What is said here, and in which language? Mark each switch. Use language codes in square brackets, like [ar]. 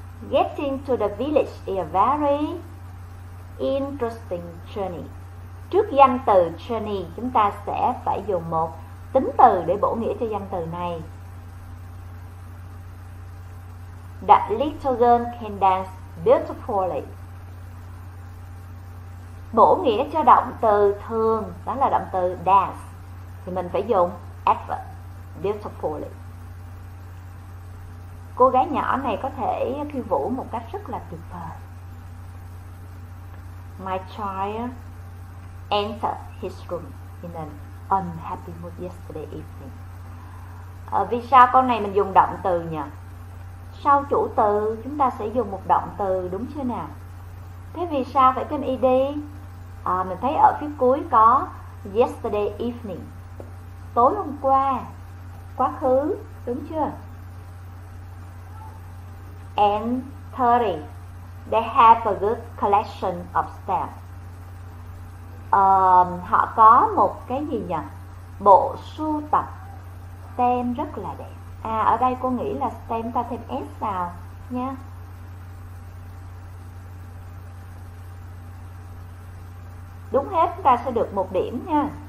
[en] Getting to the village is a very interesting journey. [vi] Trước danh từ journey, chúng ta sẽ phải dùng một tính từ để bổ nghĩa cho danh từ này. [en] The little girl can dance beautifully. [vi] Bổ nghĩa cho động từ thường, đó là động từ dance, thì mình phải dùng effort, beautifully. Cô gái nhỏ này có thể khiêu vũ một cách rất là tuyệt vời. [en] My child entered his room in an unhappy mood yesterday evening. [vi] Vì sao câu này mình dùng động từ nhỉ? Sau chủ từ chúng ta sẽ dùng một động từ đúng chưa nào? Thế vì sao phải thêm ed? Mình thấy ở phía cuối có yesterday evening, tối hôm qua, quá khứ, đúng chưa? [en] And 30, they have a good collection of stamps. [vi] Họ có một cái gì nhỉ? Bộ sưu tập stem rất là đẹp. À, ở đây cô nghĩ là stem ta thêm s vào nha. Đúng hết, chúng ta sẽ được một điểm nha.